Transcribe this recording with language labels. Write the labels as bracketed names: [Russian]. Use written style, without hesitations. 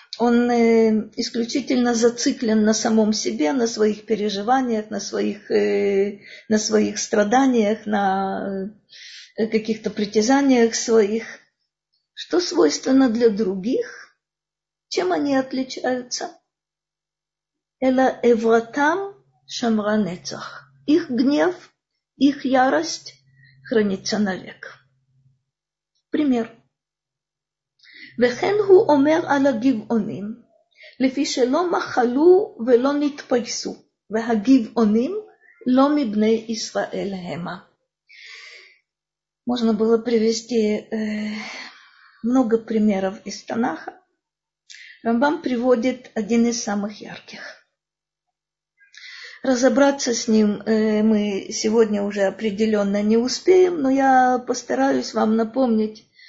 [Russian] Он исключительно зациклен на самом себе, на своих переживаниях, на своих страданиях, на каких-то притязаниях своих. Что свойственно для других? Чем они отличаются? [Hebrew] Эла эвратам шамранецах. [Russian] Их гнев, их ярость хранится навек. Пример. [Hebrew] וכן הוא אומר על הגבעונים, לפי שלא מחלו ולא נתפייסו, והגבעונים לא מבני ישראל המה. [Russian] Можно было привести много примеров из Танаха. Рамбам приводит один из самых ярких. Разобраться с ним мы сегодня уже определенно не успеем, но я постараюсь вам напомнить.